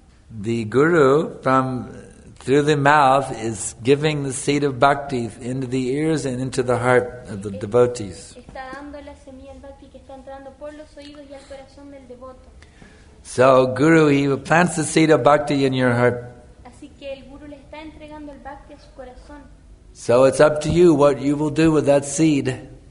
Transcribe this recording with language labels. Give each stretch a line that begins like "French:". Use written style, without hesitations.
English: The guru from through the mouth is giving the seed of bhakti into the ears and into the heart of the devotees.
Spanish: Está dando la semilla al bhakti que está entrando por los oídos y al corazón del devoto.
English: So guru, he plants the seed of bhakti in your heart.
Spanish: Así que el guru le está entregando el bhakti a su corazón.
English: So it's up to you what you will do with that seed.